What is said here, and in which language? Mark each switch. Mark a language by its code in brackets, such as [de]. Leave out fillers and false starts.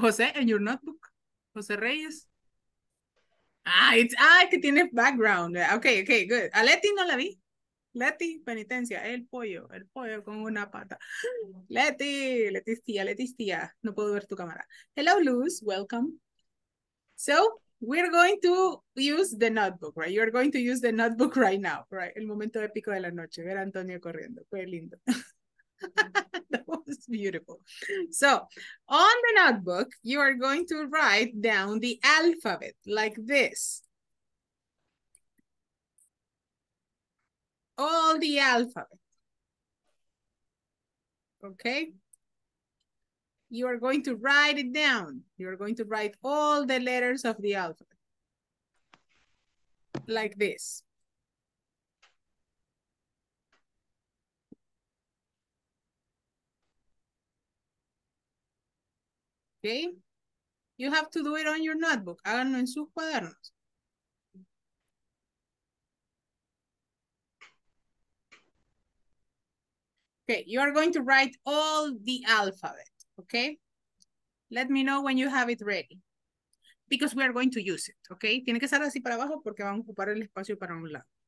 [es] José, en [en] your notebook. [es] José Reyes. Ah, que tiene background. [en] Okay, good. [es] A Leti no la vi. Leti, penitencia, el pollo con una pata. Leticia, no puedo ver tu cámara. [en] Hello, Luz, welcome. So, we're going to use the notebook, right? You're going to use the notebook right now, right? [es] El momento épico de la noche, ver a Antonio corriendo, fue lindo. [en] That was beautiful. So, on the notebook, you are going to write down the alphabet like this. All the alphabet. Okay. You are going to write it down. You are going to write all the letters of the alphabet. Like this. Okay. You have to do it on your notebook. [es] Háganlo en sus cuadernos. [en] Okay, you are going to write all the alphabet, okay? Let me know when you have it ready, because we are going to use it, okay? [es] Tiene que estar así para abajo porque vamos a ocupar el espacio para un lado.